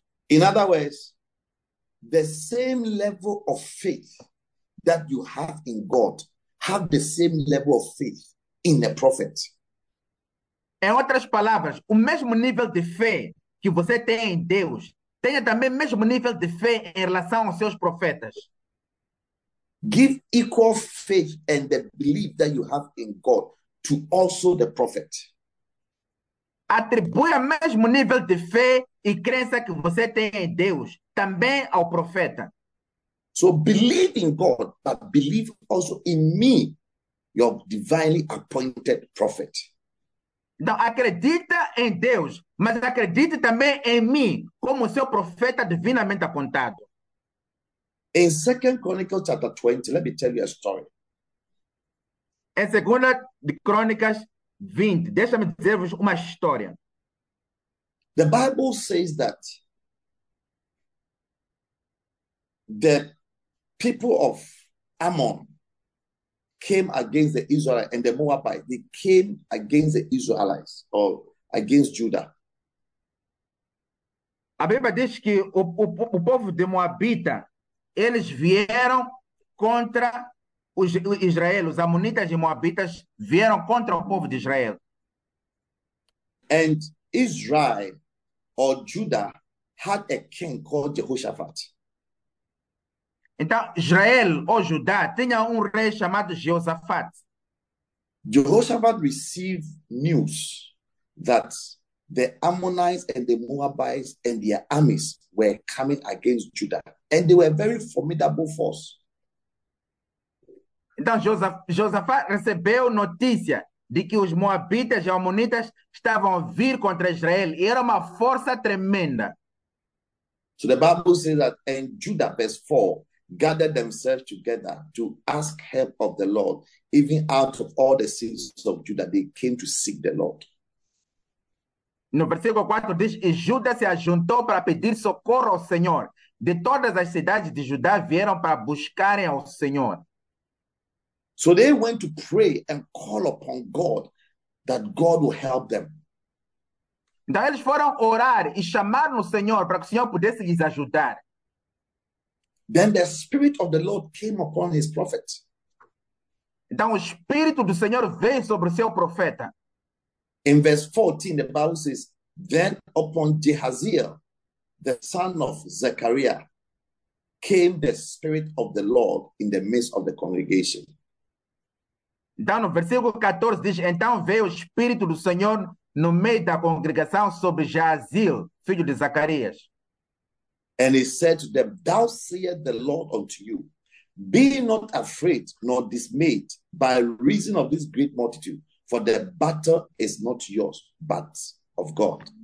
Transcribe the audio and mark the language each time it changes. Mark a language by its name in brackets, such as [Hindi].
[English] In other words, the same level of faith that you have in God, have the same level of faith in the prophet. [Portuguese] Em outras palavras, o mesmo nível de fé que você tem em Deus, tenha também o mesmo nível de fé em relação aos seus profetas. [English] Give equal faith and the belief that you have in God to also the prophet. [Portuguese] Atribui o mesmo nível de fé e crença que você tem em Deus, também ao profeta. [English] So believe in God, but believe also in me, your divinely appointed prophet. [Portuguese] Então, acredita em Deus, mas acredite também em mim, como seu profeta divinamente apontado. [English] In 2 Chronicles chapter 20, let me tell you a story. [Portuguese] Em 2 Crônicas 20, deixa-me dizer-vos uma história. [English] The Bible says that the people of Ammon came against the Israelites and the Moabites. They came against the Israelites or against Judah. [Portuguese] A Bíblia diz que o povo de Moabita, eles vieram contra os Israel, os amonitas e moabitas vieram contra o povo de Israel. [English] And Israel or Judah had a king called Jehoshaphat. [Portuguese] Então, Israel ou Judá tinha rei chamado Jeosafat. [English] Jehoshaphat received news that the Ammonites and the Moabites and their armies were coming against Judah, and they were a very formidable force. [Portuguese] Então, Josafá recebeu notícia de que os moabitas e amonitas estavam a vir contra Israel. E era uma força tremenda. [English] So the Bible says that in Judah, verse 4, gathered themselves together to ask help of the Lord, even out of all the cities of Judah, they came to seek the Lord. [Portuguese] No versículo 4 diz, e Judas se ajuntou para pedir socorro ao Senhor. De todas as cidades de Judá vieram para buscarem ao Senhor. [English] So they went to pray and call upon God that God will help them. [Portuguese] Então eles foram orar e chamar no Senhor para que o Senhor pudesse lhes ajudar. [English] Then the Spirit of the Lord came upon his prophet. [Portuguese] Então o Espírito do Senhor veio sobre o seu profeta. [English] In verse 14, the Bible says, then upon Jehaziel, the son of Zechariah, came the Spirit of the Lord in the midst of the congregation. [Portuguese] Então, no versículo 14 diz, então veio o Espírito do Senhor no meio da congregação sobre Jaziel, filho de Zacarias. [English] And he said to them, thou seest the Lord unto you. Be not afraid nor dismayed by reason of this great multitude, for the battle is not yours, but of God.